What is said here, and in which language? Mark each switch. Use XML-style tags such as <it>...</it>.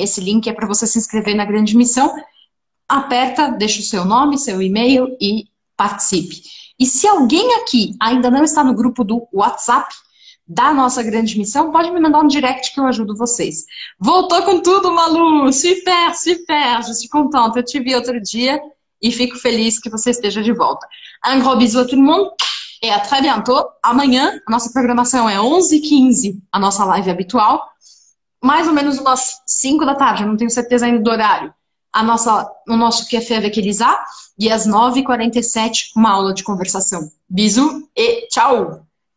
<pt>Esse link é para você se inscrever na grande missão. Aperta, deixa o seu nome, seu e-mail e participe. E se alguém aqui ainda não está no grupo do WhatsApp da nossa grande missão, pode me mandar um direct que eu ajudo vocês. Voltou com tudo, Malu! Super, super! Já te contando, eu te vi outro dia e fico feliz que você esteja de volta.</pt> <fr>Un gros bisou a tout le monde et à très bientôt.</fr> <pt>Amanhã, a nossa programação é 11h15, a nossa live habitual. Mais ou menos umas 5 da tarde, não tenho certeza ainda do horário. O nosso café evangelizar, e às 9h47, uma aula de conversação. Bisous e tchau!</pt>